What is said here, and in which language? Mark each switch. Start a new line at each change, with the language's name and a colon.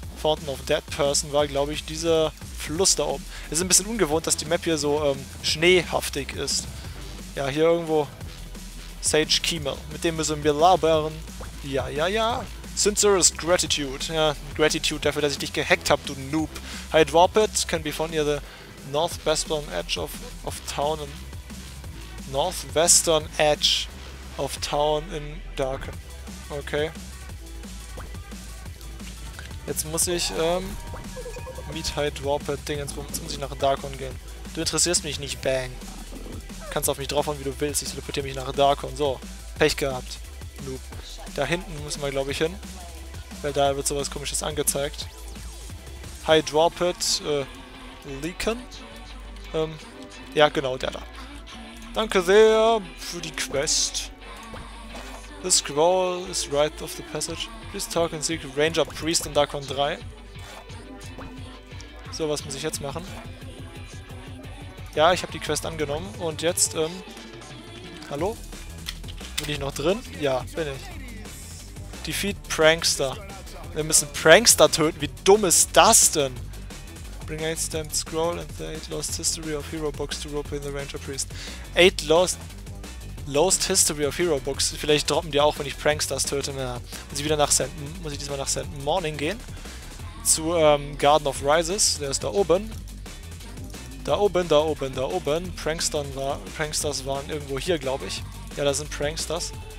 German: Fountain of Dead Person war, glaube ich, dieser Fluss da oben. Es ist ein bisschen ungewohnt, dass die Map hier so schneehaftig ist. Ja, hier irgendwo. Sage Kimmel. Mit dem müssen wir labern. Ja, ja, ja.
English: Sincerest Gratitude.
German: Ja, Gratitude dafür, dass ich dich gehackt habe, du Noob. Hi, Dropit.
English: Can be found near the northwestern edge of town in... Northwestern edge of town in Darken. Okay.
German: Jetzt muss ich,
English: meet High Dropit
German: Dingens, wo muss ich nach Darkon gehen? Du interessierst mich nicht, Bang. Kannst auf mich draufhauen, wie du willst. Ich teleportiere mich nach Darkon. So, Pech gehabt. Loop. Da hinten müssen wir, glaube ich, hin. Weil da wird sowas Komisches angezeigt. High Dropit, Leaken. Ja, genau, der da. Danke sehr für die Quest.
English: The scroll is right of the passage. Please talk and seek Ranger Priest in Darkon 3.
German: So, was muss ich jetzt machen? Ja, ich habe die Quest angenommen und jetzt, hallo? Bin ich noch drin? Ja, bin ich.
English: Defeat Prankster.
German: Wir müssen Prankster töten, wie dumm ist das denn?
English: Bring 8 stamped scroll and the 8 lost history of hero books to rope in the Ranger Priest. 8 lost history of hero books.
German: Vielleicht droppen die auch, wenn ich Pranksters töte. Na, muss ich wieder nach St. Muss ich diesmal nach St. Morning gehen? Zu Garden of Rises, der ist da oben. Da oben, da oben, da oben. Pranksters waren irgendwo hier, glaube ich. Ja, da sind Pranksters.